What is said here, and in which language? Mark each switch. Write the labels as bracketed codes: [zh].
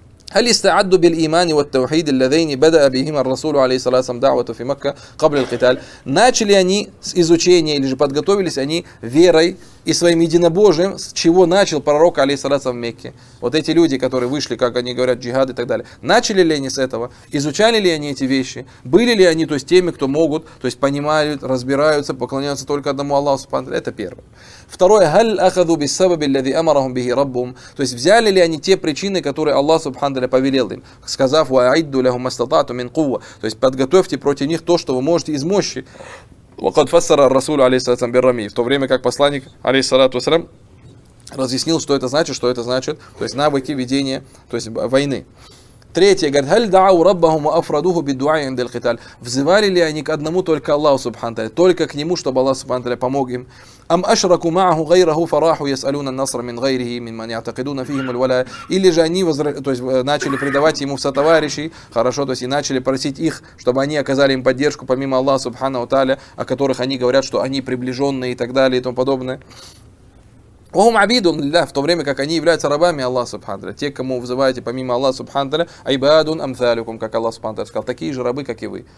[ar] هل استعدوا بالإيمان والتوحيد الذين بدأ بهما الرسول عليه الصلاة والسلام دعوته في مكة قبل القتال؟ [ru] Начали они с изучения или же подготовились они верой и своим единобожием, с чего начал пророк алейхиссалям в Мекке? Вот эти люди, которые вышли, как они говорят, джихад и так далее. Начали ли они с этого? Изучали ли они эти вещи? Были ли они, то есть, теми, кто могут, то есть, понимают, разбираются, поклоняются только одному Аллаху субхану? Это первое. Второе. [ar] هل أخذوا بالسبب الذي أمرهم به ربهم? [ru] То есть, взяли ли они те причины, которые Аллах субхану повелел им, сказав [ar] وَأَعِدُّ لَهُمْ مَسْتَطَعْتُ مِنْ قُوَّةٍ. [ru] То есть, подготовьте против них то, что вы можете из мощи. [ar] وقد فسر الرسول عليه الصلاة والسلام بالرمي. [ru] В то время как посланник [ar] عليه الصلاة والسلام [ru] разъяснил, что это значит, что это значит, то есть навыки ведения, то есть войны. Третье, говорит, [ar] هل دعوا ربهم وأفردوه بالدعاء عند القتال. [ru] Взывали ли они к одному только Аллаху субхану тааля, только к нему, чтобы Аллах субхану тааля помог им? [ar] أم أشركوا معه غيره فراحوا يسألون النصر من غيره ممن يعتقدون فيهم الولاء. [ru] Или же они то есть, начали предавать ему в сотоварищи, хорошо, то есть и начали просить их, чтобы они оказали им поддержку помимо Аллаха субхану тааля, о которых они говорят, что они приближенные и так далее и тому подобное. [ar] وهم عبيد لله [ru] в то время как они являются рабами Аллаха субхану тааля. Те, кому взываете помимо Аллаха субхану тааля, айбадун амсалюкум, как Аллах субхану тааля сказал, такие же рабы, как и вы.